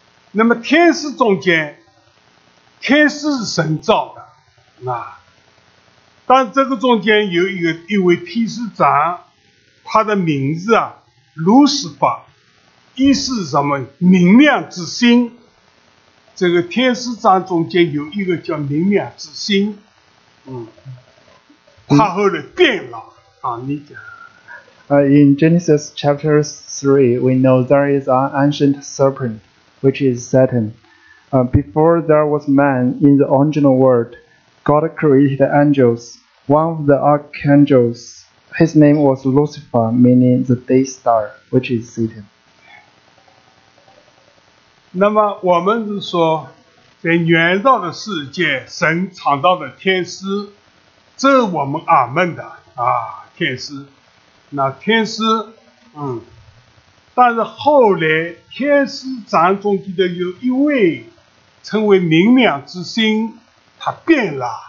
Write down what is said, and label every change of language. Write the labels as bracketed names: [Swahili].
[Chinese] 那么天使中间，天使是神造的，但这个中间有一位天使长，他的名字啊。 Lucifer 意思是什么？明亮之星。这个天使长中间有一个叫明亮之星，他后来变了。你讲。 [English] In Genesis chapter 3, we know there is an ancient serpent, which is Satan. Before there was man in the original world, God created angels. One of the archangels, his name was Lucifer, meaning the day star, which is Satan. [Chinese] 那么我们是说，在原道的世界，神创造的天使，这我们阿们的啊，天使。那天使，但是后来天使长中间的有一位，成为明亮之星，他变了。